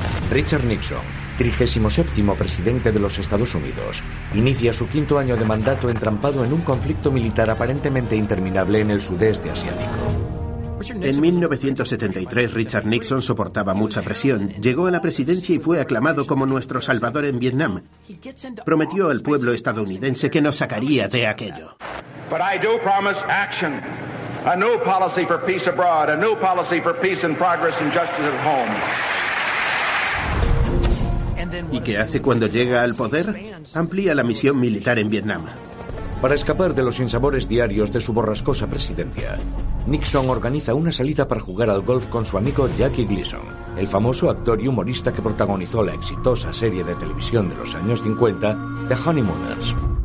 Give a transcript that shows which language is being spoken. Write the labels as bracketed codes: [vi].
[es] Richard Nixon, 37º presidente de los Estados Unidos, inicia su 5º año de mandato entrampado en un conflicto militar aparentemente interminable en el sudeste asiático. En 1973, Richard Nixon soportaba mucha presión, llegó a la presidencia y fue aclamado como nuestro salvador en Vietnam. Prometió al pueblo estadounidense que nos sacaría de aquello. [en] But I do promise action. a new policy for peace abroad, a new policy for peace and progress and justice at home. [es] ¿Y qué hace cuando llega al poder? Amplía la misión militar en Vietnam. Para escapar de los sinsabores diarios de su borrascosa presidencia, Nixon organiza una salida para jugar al golf con su amigo Jackie Gleason, el famoso actor y humorista que protagonizó la exitosa serie de televisión de los años 50, The Honeymooners.